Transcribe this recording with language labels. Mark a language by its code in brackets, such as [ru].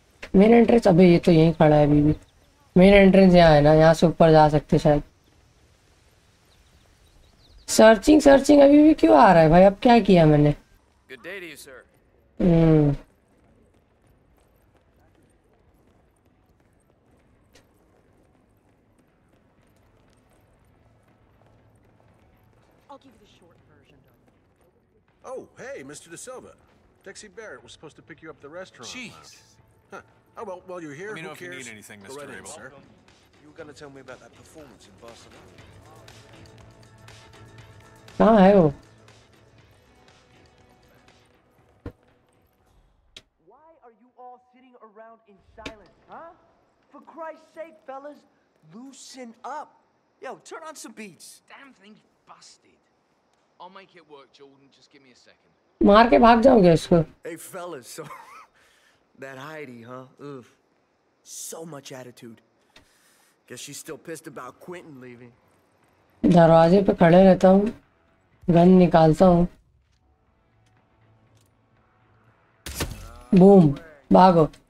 [hi] Main entrance, अबे ये तो यहीं खड़ा है अभी भी। मेन एंट्रेंस यहाँ है ना, यहाँ से ऊपर जा सकते शायद। सर्चिंग सर्चिंग अभी भी क्यों आ रहा है भाई? अब क्या किया मैंने? [en] Good day to you sir. I'll give you the short version. Oh, hey, Mr. De Silva. Dexie Barrett was supposed to pick you up at the restaurant. Jeez. Oh, well, while you're here, let me know who cares? If you need anything, Mr. Abel. Sir. You were going to tell me about that performance in Barcelona. [hi] कहाँ है वो? [en] Why are you all sitting around in silence, huh? For Christ's sake, fellas, loosen up. Yo, turn on some beats. Damn thing busted. I'll make it work, Jordan. Just give me a second. [hi] मार के भाग जाओगे इसको? [en] Hey, fellas, so that Heidi, huh? Oof. So much attitude. Guess she's still pissed about Quentin leaving. [hi] दरवाजे पे खड़े रहता हूँ। गन निकालता हूँ। बूम, भागो।